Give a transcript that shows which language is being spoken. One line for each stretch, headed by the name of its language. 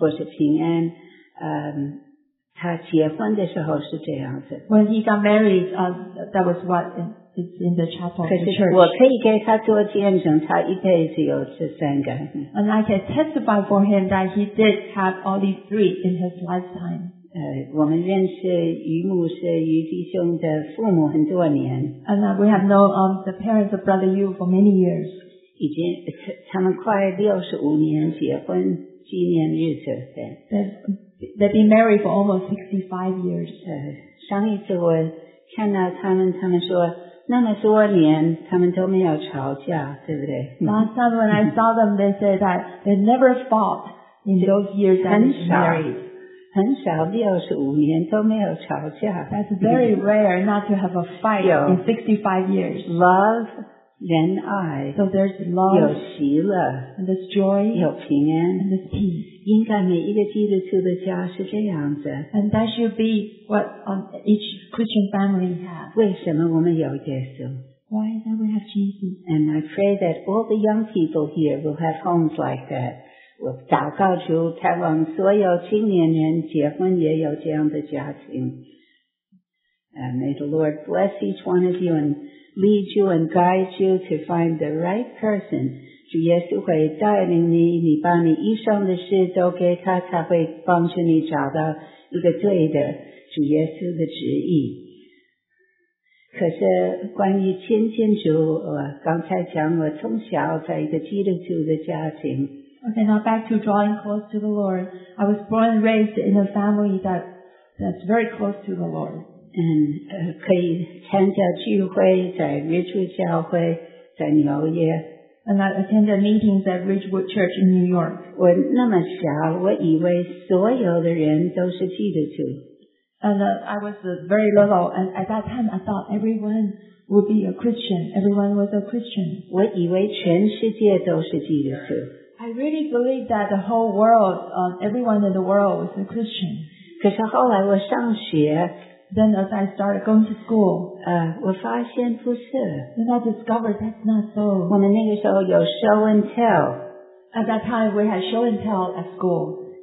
Chinese: 或是平安他结婚的时候是这样子。
English: When he got married, that was what is in the chapel, the church.
Chinese: 我可以给他做见证，他一辈子有这三个。
English: And I can testify for him that he did have all these three in his lifetime.
Chinese: 我们认识于牧师、于弟兄的父母很多年。
English: And we have known the parents of Brother Yu for many years.
Chinese: 已经他们快65年结婚纪念日子了。
English: They've been married for almost 65 years.
Chinese: 上一次我看到他们说那么多年他们都没有吵架对不对
English: Last time when I saw them, they said that they never fought in those years that they married.
Chinese: 很少65年都没有吵架
English: That's very rare not to have a fight in 65 years. Love,
Chinese: 仁爱
English: So there's love,
Chinese: 有喜乐
English: and there's joy,
Chinese: 有平安
English: and there's peace.
Chinese: 应该每一个基督徒的家是这样子。
English: And that should be what each Christian family has.
Chinese: 为什么我们有耶稣
English: Why is that we have Jesus? And I pray that all the young people here will have homes like that.
Chinese: 我祷告主，盼望所有青年人结婚也有这样的家庭。
English: And may the Lord bless each one of you and lead you and guide you to find the right person.
Chinese: 主耶稣会带领你，你把你一生的事都给他，他会帮助你找到一个对的主耶稣的旨意。可是关于亲近主，我刚才讲我从小在一个基督徒的家庭。
English: Okay, now back to drawing close to the Lord. I was born and raised in a family that's very close to the Lord.
Chinese: And 可以参加聚会，在日出教会，在纽约。
English: And I attended meetings at Ridgewood Church in New York.
Chinese: 我那么小，我以为所有的人都是基督徒。
English: And I was very little, and at that time I thought everyone would be a Christian. Everyone was a Christian.
Chinese: 我以为全世界都是基督徒。
English: I really believed that the whole world, everyone in the world was a Christian.
Chinese: 可是后来我上学。
English: Then as I started going to school,
Chinese: 我发现不是。
English: Then I discovered that's not so.
Chinese: 我们那个时候有
English: show and tell. At that time, we had show and tell at school.